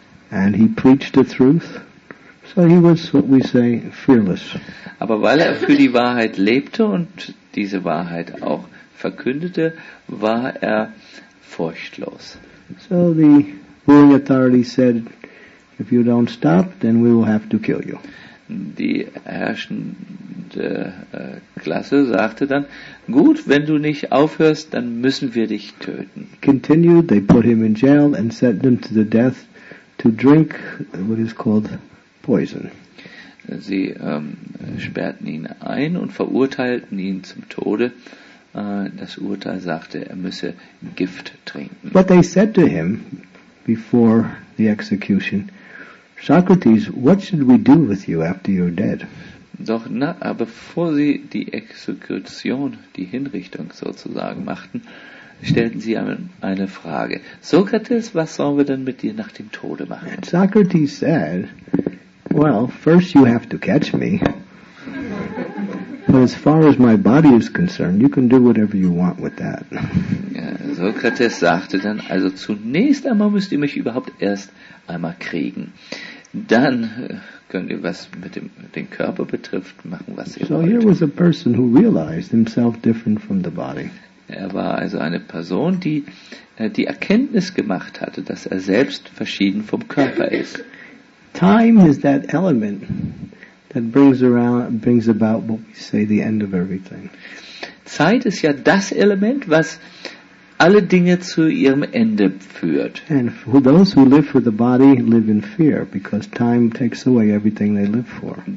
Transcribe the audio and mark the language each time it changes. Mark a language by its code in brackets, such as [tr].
[en] And he preached the truth, so he was what we say fearless. [de] Aber weil er für die Wahrheit lebte und diese Wahrheit auch verkündete, war er furchtlos. [en] So the ruling authority said, if you don't stop, then we will have to kill you. [de] Die herrschende Klasse sagte dann, gut, wenn du nicht aufhörst, dann müssen wir dich töten. [en] Continued, they put him in jail and sent him to the death. To drink what is called poison. [de] Sie sperrten ihn ein und verurteilten ihn zum Tode. Das Urteil sagte, er müsse Gift trinken. [en] But they said to him before the execution, Socrates, what should we do with you after you're dead? [de] Doch bevor sie die Exekution, die Hinrichtung sozusagen machten, stellten sie eine Frage. Sokrates, was sollen wir denn mit dir nach dem Tode machen? [en] And Socrates said, well, first you have to catch me. But as far as my body is concerned, you can do whatever you want with that. [de] Sokrates sagte dann, also zunächst einmal müsst ihr mich überhaupt erst einmal kriegen. Dann könnt ihr was mit dem Körper betrifft machen, was ihr so wollt. [en] So here was a person who realized himself different from the body. [de] Er war also eine Person, die die Erkenntnis gemacht hatte, dass er selbst verschieden vom Körper ist. [en] Time is that element that brings about what we say the end of everything. [de] Zeit ist ja das Element, was alle Dinge zu ihrem Ende führt. [en] And for those who live for the body live in fear, because time takes away everything they live for.